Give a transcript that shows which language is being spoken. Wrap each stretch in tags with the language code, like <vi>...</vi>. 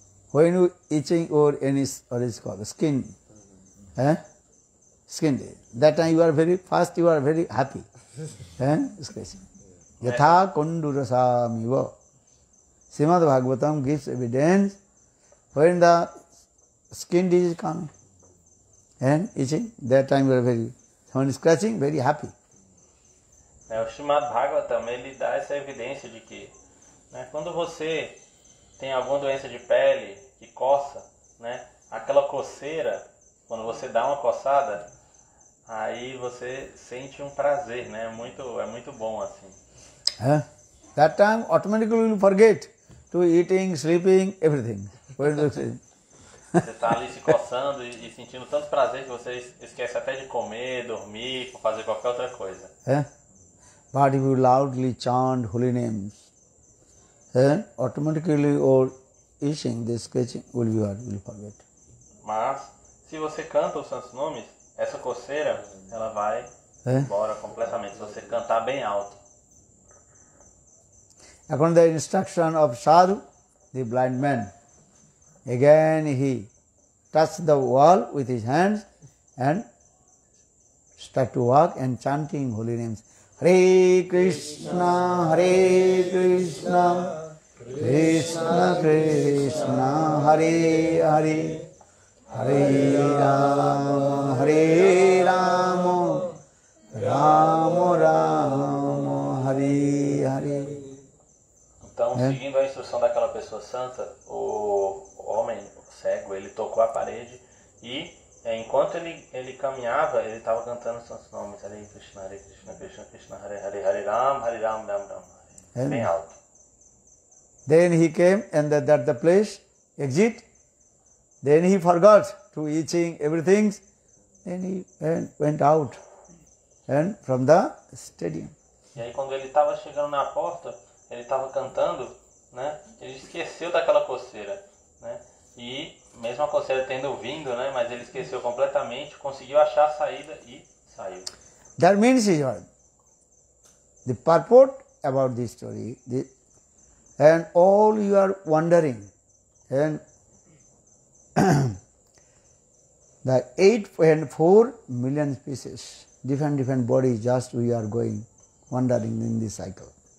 <en>When you itching or any, what is called, skin, skin, that time you are very fast, you are very happy, scratching.</en> <sa>Yatha kundurasam iva.</sa> <en>Srimad Bhagavatam gives evidence when the skin disease coming and itching, that time you are very, someone is scratching, very happy.</en> <pt>O Srimad Bhagavatam, ele dá essa evidência de que, né, quando você tem alguma doença de pele que coça, né, aquela coceira, quando você dá uma coçada, aí você sente um prazer, né, é muito bom assim.</pt> <en>That time automatically you forget to eating, sleeping, everything. What do you say?</en> <pt>Você está ali se coçando e sentindo tanto prazer que você esquece até de comer, dormir, fazer qualquer outra coisa.</pt> <en>But if you loudly chant holy names, automatically all itching, this scratching will be what will forget.</en> <pt>Mas, se você canta os santos nomes, essa coceira, ela vai embora completamente, se você cantar bem alto.</pt> <en>According to the instruction of Sadhu, the blind man, again he touched the wall with his hands and start to walk and chanting holy names.</en> <sa>Hare Krishna, Hare Krishna, Krishna Krishna, Hare Hare, Hare Rama, Hare Rama, Rama Rama, Hare Hare.</sa> <pt>Então, seguindo a instrução daquela pessoa santa, o homem, o cego, ele tocou a parede e, enquanto ele caminhava, ele estava cantando santos nomes:</pt> <sa>Hare Krishna, Hare Krishna, Krishna Krishna, Hare Hare, Hare Ram, Hare Ram, Ram</sa> <pt>Ram, bem alto.</pt> <en>Then he came and that the place exit. Then he forgot to eating everything. Then he went out and from the stadium.</en> <pt>E aí, quando ele estava chegando na porta, ele estava cantando, né? Ele esqueceu daquela coceira, né? E mesmo a coceira tendo vindo, né? Mas ele esqueceu completamente, conseguiu achar a saída e saiu.</pt> <en>That means is all. The purport about this story, and all you are wondering, and the 8.4 million species, different bodies, just we are going wandering in this cycle.</en>